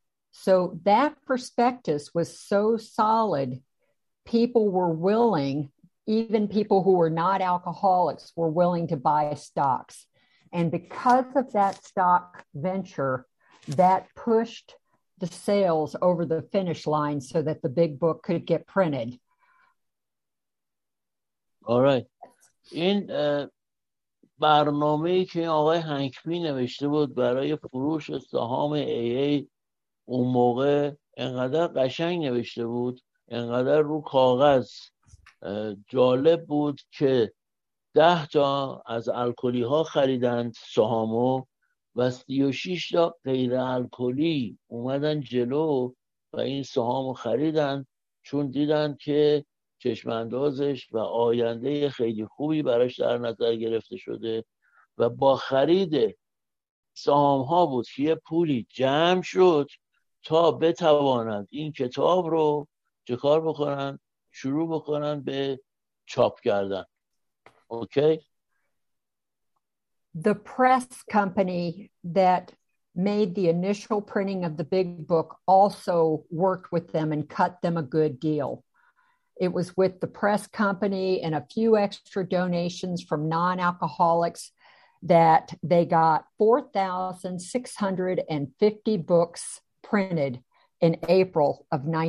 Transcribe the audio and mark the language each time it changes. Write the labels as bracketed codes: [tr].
[en] So that prospectus was so solid, people were willing, even people who were not alcoholics were willing to buy stocks. And because of that stock venture, that pushed the sales over the finish line so that the big book could get printed. All right. [fa] In برنامه‌ای که آقای هنکبی نوشته بود برای فروش سهام AA اون موقع انقدر قشنگ نوشته بود، انقدر رو کاغذ جالب بود که 10 تا از الکلی ها خریدند سهامو و 36 تا غیر الکلی اومدن جلو و این سهامو خریدند، چون دیدند که چشماندازش و آینده خیلی خوبی براش در نظر گرفته شده، و با خرید سهام ها بود که یه پولی جمع شد تا بتوانند این کتاب رو چه کار بکنن، شروع بکنن به چاپ کردن. اوکی؟ [en] The press company that made the initial printing of the big book also worked with them and cut them a good deal. It was with the press company and a few extra donations from non-alcoholics that they got 4,650 books printed in April of